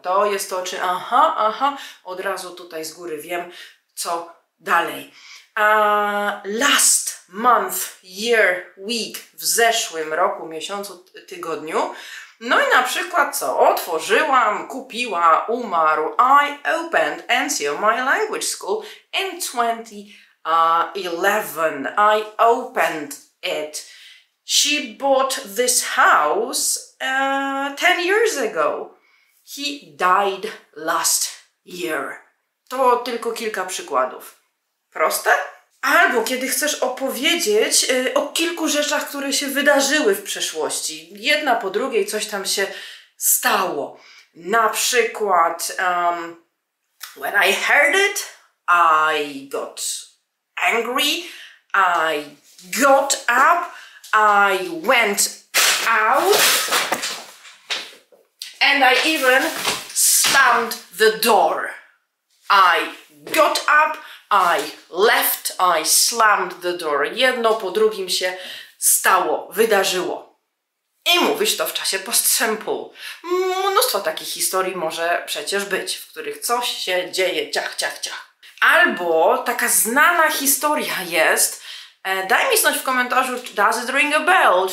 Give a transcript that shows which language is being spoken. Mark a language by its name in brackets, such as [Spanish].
[Polish] To jest to, czy aha, aha, od razu tutaj z góry wiem, co dalej. [English] Last month, year, week, [Polish] w zeszłym roku, miesiącu, tygodniu. No i na przykład co? Otworzyłam, kupiła, umarł. [English] I opened NCO My Language School in 2011. I opened it. She bought this house 10 years ago. He died last year. [Polish] To tylko kilka przykładów. Proste? Albo kiedy chcesz opowiedzieć o kilku rzeczach, które się wydarzyły w przeszłości. Jedna po drugiej coś tam się stało. [English] Na przykład, when I heard it, I got angry, I got up, I went out, and I even slammed the door. I got up, I left, I slammed the door. [Polish] Jedno po drugim się stało, wydarzyło. I mówisz to w czasie past simple. Mnóstwo takich historii może przecież być, w których coś się dzieje, ciach, ciach, ciach. Albo taka znana historia jest, daj mi znać w komentarzu, [English] does it ring a bell?